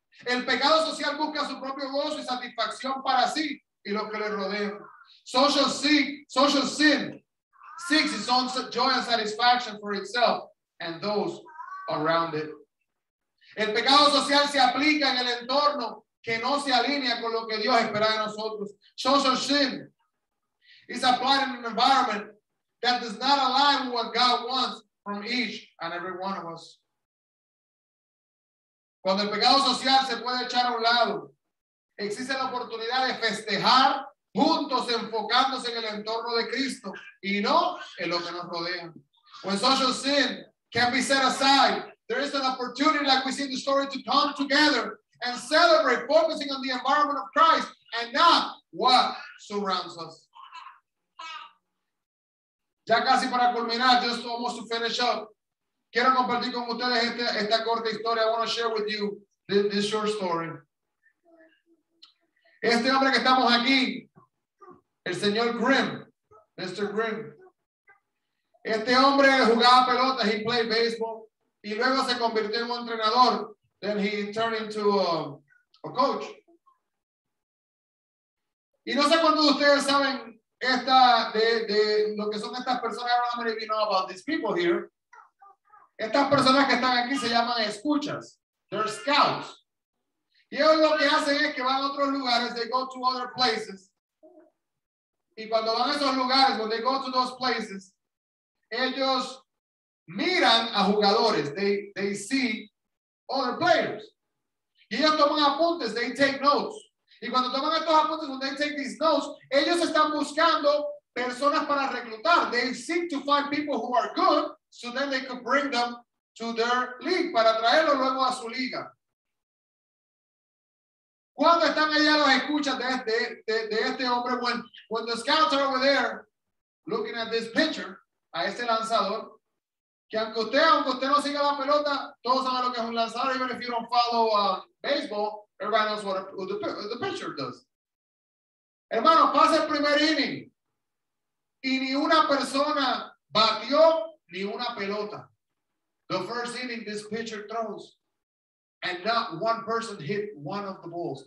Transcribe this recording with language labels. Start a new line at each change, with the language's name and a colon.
Spanish: El pecado social busca su propio gozo y satisfacción para sí y los que le rodean.
English: Social sin. Seeks its own joy and satisfaction for itself and those around it.
Spanish: El pecado social se aplica en el entorno que no se alinea con lo que Dios espera de nosotros.
English: Social sin is applied in an environment that does not align with what God wants from each and every one of us.
Spanish: Cuando el pecado social se puede echar a un lado, existe la oportunidad de festejar juntos, enfocándose en el entorno de Cristo y no en lo que nos rodea.
English: When social sin can be set aside, there is an opportunity, like we see in the story, to come together and celebrate, focusing on the environment of Christ and not what surrounds us.
Spanish: Ya casi para culminar,
English: just almost to finish up,
Spanish: quiero compartir con ustedes esta corta historia.
English: I want to share with you this short story.
Spanish: Este hombre que estamos aquí, el señor Grimm, Mr. Grimm. Este hombre jugaba pelota,
English: he played baseball,
Spanish: y luego se convirtió en un entrenador
English: Then he turned into a coach.
Spanish: Y no sé cuántos de ustedes saben esta de lo que son estas personas.
English: I don't know if you know about these people here.
Spanish: Estas personas que están aquí se llaman escuchas.
English: They're scouts.
Spanish: Y ellos lo que hacen es que van a otros lugares.
English: They go to other places.
Spanish: Y cuando van a esos lugares,
English: when they go to those places,
Spanish: ellos miran a jugadores.
English: They see other players.
Spanish: Y ellos toman apuntes.
English: They take notes.
Spanish: Y cuando toman estos apuntes,
English: when they take these notes,
Spanish: ellos están buscando personas para reclutar.
English: They seek to find people who are good, so then they could bring them to their league,
Spanish: para traerlo luego a su liga. Cuando están allá los escuchas de este hombre,
English: when the scouts are over there looking at this pitcher,
Spanish: a este lanzador, que aunque usted no siga la pelota, todos saben lo que es un lanzador.
English: Even if you don't follow baseball, everybody knows what the pitcher does.
Spanish: Hermano, pasa el primer inning y ni una persona batió ni una pelota.
English: The first inning, this pitcher throws, and not one person hit one of the balls.